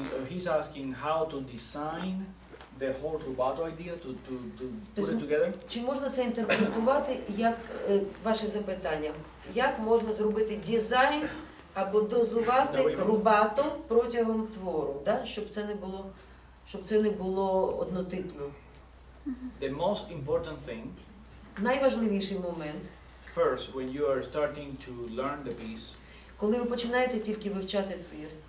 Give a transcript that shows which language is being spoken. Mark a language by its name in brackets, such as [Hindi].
[English] He's asking how to design the whole rubato idea to put it together. [Ukrainian] Чи можна це інтерпретувати як ваше запитання? Як можна зробити дизайн або дозувати рубато протягом твору, да, щоб це не було однотипно? [English] The most important thing. [Ukrainian] Найважливіший момент. [English] First, when you are starting to learn the piece. [Ukrainian] Коли ви починаєте тільки вивчати твір.